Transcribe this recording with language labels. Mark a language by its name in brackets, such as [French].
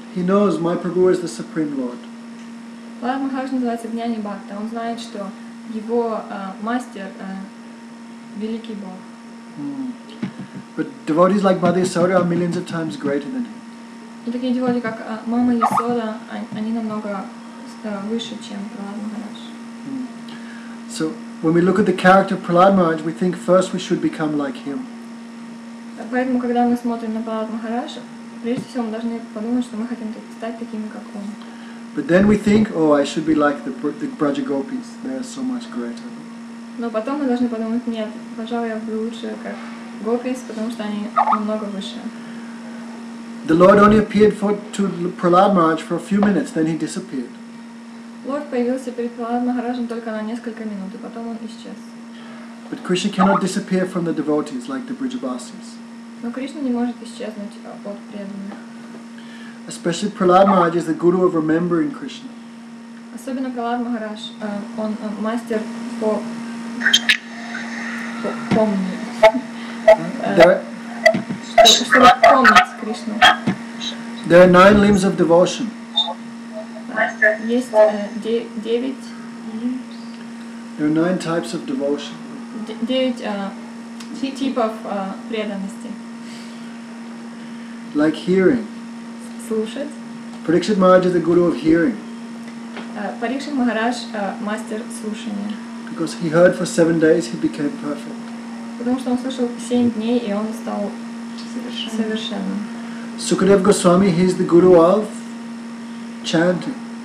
[English] He knows my Prabhu is the Supreme Lord. [Russian] Prahlad Maharaj называется Гьяни Бхакта. Он знает, что его мастер великий Бог. [English] But devotees like Mother Yasoda are millions of times greater than him. [Russian] И такие девоты, как Мама Ясода, они намного выше, чем Прахлад Махарадж. [English] So when we look at the character of Prahlad Maharaj, we think first we should become like him. [Russian] Поэтому, когда мы смотрим на Прахлад Махарадж, прежде всего мы должны подумать, что мы хотим стать такими, как он. [English] But then we think, oh, I should be like the Brajagopis. They are so much greater. [Russian] Но потом мы должны подумать, нет, пожалуй, я буду лучше, как Гопис, потому что они намного выше. [English] The Lord only appeared to Prahlad Maharaj for a few minutes, then he disappeared. [Russian] Лорд появился перед Прохлад Махараджем только на несколько минут, и потом он исчез. [English] But Krishna cannot disappear from the devotees like the Brijabasis. [Russian] Но Кришна не может исчезнуть от преданных. [English] Especially Prahlad Maharaj is the guru of remembering Krishna. [Russian] Особенно Прахлад Махарадж, он мастер по помнить Кришну. [English] There are 9 limbs of devotion. [Russian] Есть 9. [English] There are 9 types of devotion. [Russian] 9 типов преданности. [English] Like hearing. [Russian] Слушать. [English] Parikshit Maharaj is the guru of hearing. [Russian] Parikshit Maharaj мастер слушания. [English] Because he heard for 7 days, he became perfect. [Russian] Потому что он слышал 7 дней и он стал совершенным. [English] Sukadev Goswami, he is the guru of chanting.